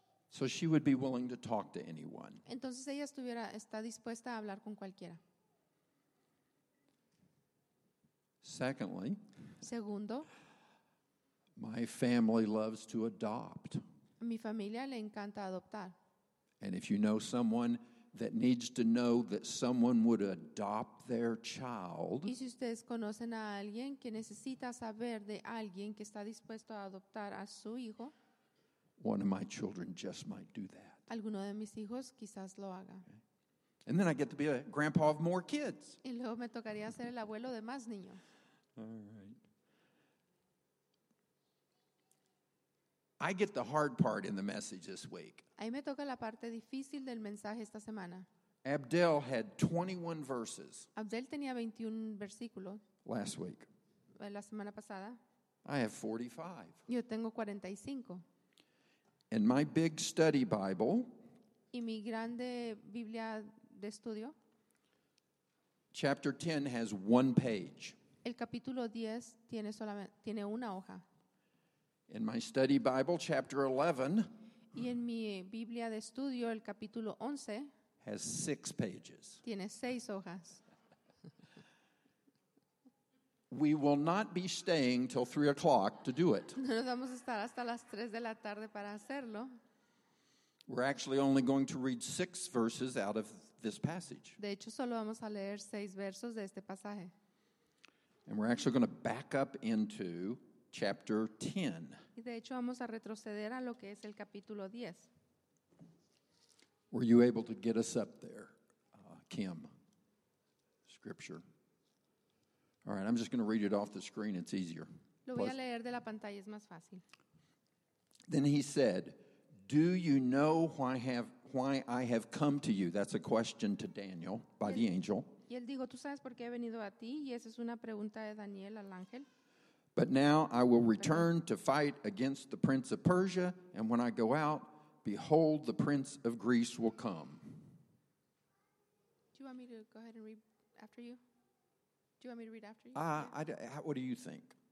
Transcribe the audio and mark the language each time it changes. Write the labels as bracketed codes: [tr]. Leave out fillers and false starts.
[en] So she would be willing to talk to anyone. [es] Entonces ella está dispuesta a hablar con cualquiera. [en] Secondly. [es] Segundo, [en] my family loves to adopt. [es] Mi familia le encanta adoptar. [en] And if you know someone that needs to know that someone would adopt their child, [es] y si ustedes conocen a alguien que necesita saber de alguien que está dispuesto a adoptar a su hijo, [en] one of my children just might do that. [es] Alguno de mis hijos quizás lo haga. Okay. [en] And then I get to be a grandpa of more kids. [es] Y luego me tocaría ser el abuelo de más niños. [en] All right. I get the hard part in the message this week. [es] Ahí me toca la parte difícil del mensaje esta semana. [en] Abdel had 21 verses. [es] Abdel tenía 21 versículos. [en] Last week. [es] La semana pasada. [en] I have 45. [es] Yo tengo 45. [en] And my big study Bible. [es] Y mi grande Biblia de estudio. [en] Chapter 10 has one page. [es] El capítulo 10 tiene solamente tiene una hoja. [en] In my study Bible, chapter 11. [es] Y en mi Biblia de estudio, el capítulo 11. [en] Has six pages. [es] Tiene seis hojas. [en] We will not be staying till 3 o'clock to do it. [es] No vamos a estar hasta las 3 de la tarde para hacerlo. [en] We're actually only going to read 6 verses out of this passage. [es] De hecho, solo vamos a leer 6 versos de este pasaje. [en] And we're actually going to back up into chapter 10. [es] Y de hecho, vamos a retroceder a lo que es el capítulo 10. [en] Were you able to get us up there, Kim? Scripture. All right, I'm just going to read it off the screen. It's easier. [es] Lo voy a leer de la pantalla, es más fácil. [en] Then he said, "Do you know why I have come to you?" That's a question to Daniel by the angel. [es] Y él dijo, "¿Tú sabes por qué he venido a ti?" Y esa es una pregunta de Daniel al ángel. [en] But now I will return to fight against the prince of Persia, and when I go out, behold, the prince of Greece will come. Do you want me to go ahead and read after you? Do you want me to read after you? What do you think?